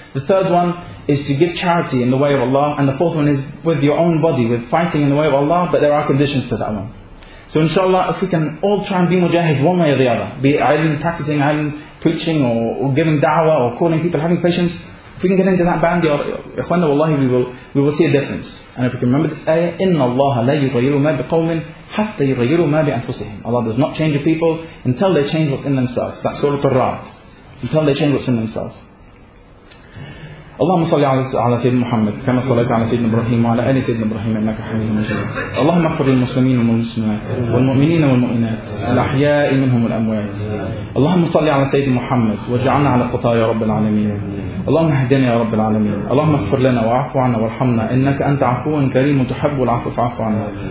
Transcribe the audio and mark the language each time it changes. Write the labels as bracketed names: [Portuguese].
[English] The third one is to give charity in the way of Allah. And the fourth one is with your own body, with fighting in the way of Allah. But there are conditions to that one. So inshallah, if we can all try and be mujahid one way or the other, be it ilm, practicing ilm, preaching or giving da'wah or calling people, having patience, if we can get into that band, ikhwana wallahi, we will see a difference. And if we can remember this ayah, [Arabic] إِنَّ اللَّهَ لَا يُغَيِّرُ مَا بِقَوْمٍ حَتَّى يُغَيِّرُ مَا بِأَنفُسِهِمْ. [English] Allah does not change a people until they change what's in themselves. That's Surah Al-Ra'd. Until they change what's in themselves. [Arabic] اللهم صل على سيدنا محمد كما صليت على سيدنا ابراهيم وعلى ال سيدنا ابراهيم انك حميد مجيد. اللهم اغفر للمسلمين والمسلمات والمؤمنين والمؤمنات الاحياء منهم والاموات. اللهم صل على سيدنا محمد واجعلنا على خطاه يا رب العالمين. اللهم اهدنا يا رب العالمين. اللهم اغفر لنا واعف عنا وارحمنا انك انت عفو كريم تحب العفو فاعف عنا.